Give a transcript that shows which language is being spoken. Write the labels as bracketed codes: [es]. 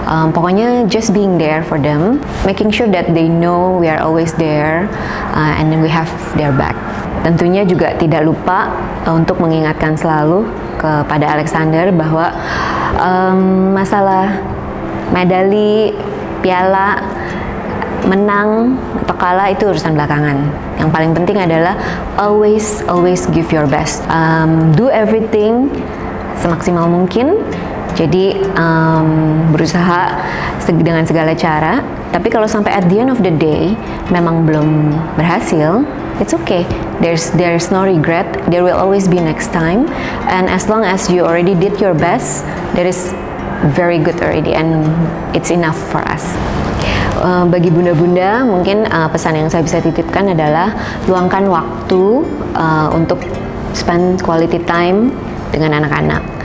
[en] Pokoknya just being there for them, making sure that they know we are always there and then we have their back. [id] Tentunya juga tidak lupa untuk mengingatkan selalu kepada Alexander bahwa masalah medali, piala, menang atau kalah itu urusan belakangan. Yang paling penting adalah [en] always, always give your best. Do everything [id] semaksimal mungkin, jadi berusaha dengan segala cara. Tapi kalau sampai [en] at the end of the day [id] memang belum berhasil, [en] it's okay. There's no regret. There will always be next time. And as long as you already did your best, that is very good already. And it's enough for us. [id] Bagi bunda-bunda, mungkin pesan yang saya bisa titipkan adalah luangkan waktu untuk [en] spend quality time [id] dengan anak-anak.